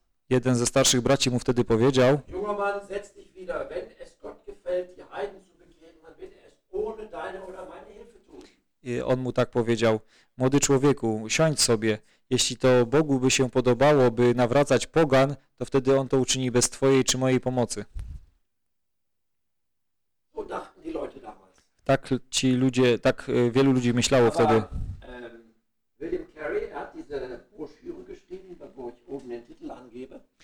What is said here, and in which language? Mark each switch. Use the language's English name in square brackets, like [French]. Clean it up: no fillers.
[Polish] Jeden ze starszych braci mu wtedy powiedział: [German] Junger Mann, setz dich wieder, wenn es Gott gefällt, die Heiden zu bekehren, dann wird er es ohne deine oder meine Hilfe tun. [Polish] I on mu tak powiedział: Młody człowieku, siądź sobie. Jeśli to Bogu by się podobało, by nawracać pogan, to wtedy on to uczyni bez twojej czy mojej pomocy. [German] So dachten die Leute damals. [Polish] Tak ci ludzie, tak wielu ludzi myślało [German] Aber, [Polish] wtedy. [German] William Carey, er hat diese Broschüre geschrieben, wo ich oben den Titel angebe.